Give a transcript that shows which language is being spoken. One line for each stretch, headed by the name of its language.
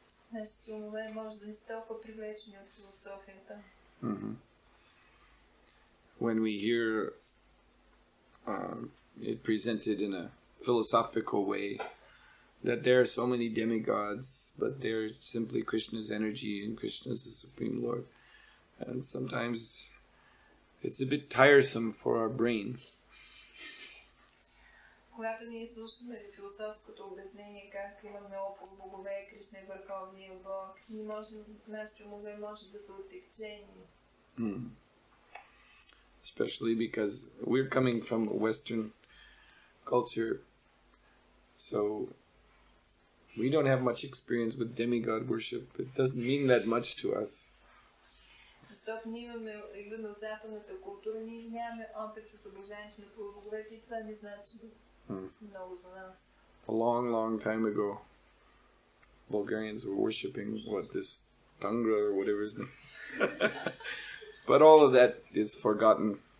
English: When we hear it presented in a philosophical way, that there are so many demigods, but they're simply Krishna's energy and Krishna's the Supreme Lord. And sometimes it's a bit tiresome for our brain.
Bulgarian: Когато ние слушаме философското обяснение, как има много богове, Кришна и Върховния Бог, нашите умове може да са отекчени.
English: Especially because we're coming from a Western culture, so we don't have much experience with demigod worship. It doesn't mean that much to us.
Bulgarian: Защото ние идваме от западната култура, ние нямаме опит с обожанието на полубоговете и това не значи.
English: A long, long time ago, Bulgarians were worshipping, this Tungra or whatever his name. But all of that is forgotten.